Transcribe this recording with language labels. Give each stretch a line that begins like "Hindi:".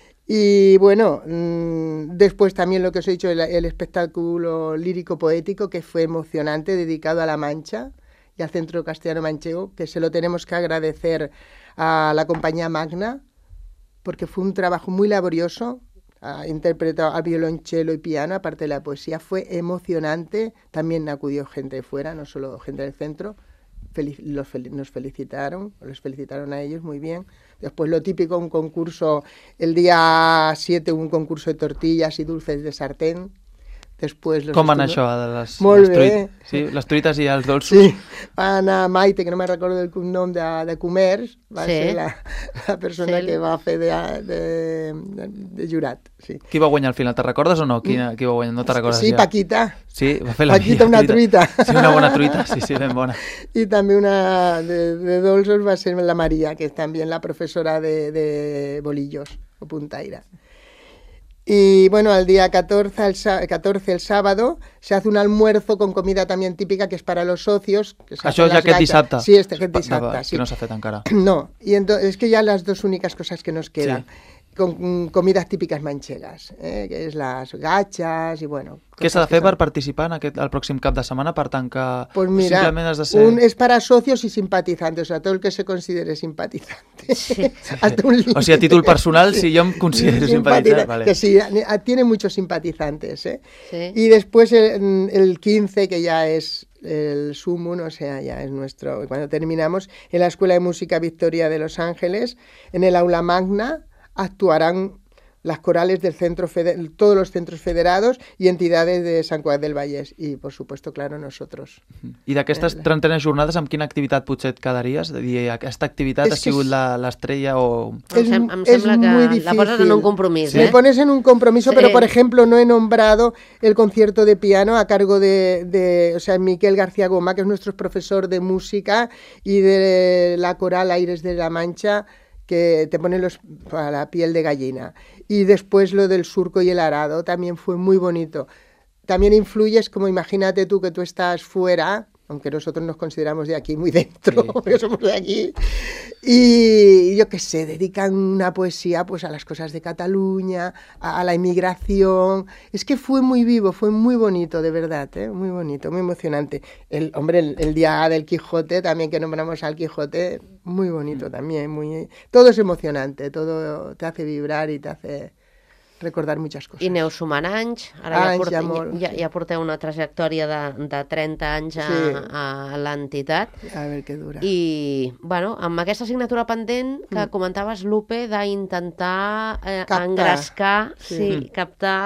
Spanish: Y bueno, después también lo que os he dicho, el espectáculo lírico-poético que fue emocionante, dedicado a La Mancha y al Centro Castellano Manchego, que se lo tenemos que agradecer a la compañía Magna, porque fue un trabajo muy laborioso, interpretado al violonchelo y piano, aparte de la poesía, fue emocionante, también acudió gente de fuera, no solo gente del centro, les felicitaron a ellos muy bien. Después lo típico, un concurso, el día 7 un concurso de tortillas y dulces de sartén. Después
Catalan: com van això, les truites i els dolços? Sí, va anar Maite, que no me recordo el nom de comerç, va ser la persona que va fer de jurat. Sí. Qui va guanyar al final, te recordes o no? Qui va guanyar? No te recordes? Sí, Paquita. Sí, va fer Paquita, una truita. Sí, una bona truita, sí, sí, ben bona. I també una de dolços va ser la Maria, que és també la professora de bolillos o puntaira.
Spanish: Y bueno, al día 14, el sábado, se hace un almuerzo con comida también típica que es para los socios.
Catalan: ¿Això ja aquest dissabte? Sí, este aquest dissabte. Que no s'ha fet encara.
Spanish: No, y es que ya las dos únicas cosas que nos quedan, con comidas típicas manchegas, que es las gachas y bueno.
Catalan: ¿Què s'ha de fer per participar al pròxim cap de setmana per tancar?
Spanish: Pues mira, es para socios y simpatizantes, o sea, todo el que se considere simpatizante.
Catalan: O sea, a títol personal, si jo em considero simpatizante.
Spanish: Que sí, tiene muchos simpatizantes. Y después el 15, que ya es el sumum, o sea, ya es nuestro, cuando terminamos, en la Escuela de Música Victoria de Los Ángeles, en el Aula Magna, actuarán las corales del centro todos los centros federados y entidades de Sant Cugat del Vallès y, por supuesto, claro, nosotros.
Catalan: I d'aquestes 30 jornades, amb quina activitat potser et quedaries? De dir, aquesta activitat ha sigut l'estrella o... Em sembla que la poses en un compromís. Sí?
Spanish: Me pones en un compromís, sí. Pero, por ejemplo, no he nombrado el concierto de piano a cargo de Miquel García Goma, que es nuestro profesor de música, y de la coral Aires de la Mancha, que te pone a la piel de gallina. Y después lo del surco y el arado también fue muy bonito. También influyes, como imagínate tú que tú estás fuera, aunque nosotros nos consideramos de aquí muy dentro, sí. Porque somos de aquí, y yo qué sé, dedican una poesía pues a las cosas de Cataluña, a la inmigración. Es que fue muy vivo, fue muy bonito, de verdad, ¿eh? Muy bonito, muy emocionante. El día del Quijote, también que nombramos al Quijote, muy bonito también, muy, todo es emocionante, todo te hace vibrar y te hace recordar muchas cosas.
Catalan: I aneu sumant anys, ara ja porteu una trajectòria de 30 anys a l'entitat. A veure què dura. I, bueno, amb aquesta assignatura pendent que comentaves, Lupe, d'intentar engrescar, captar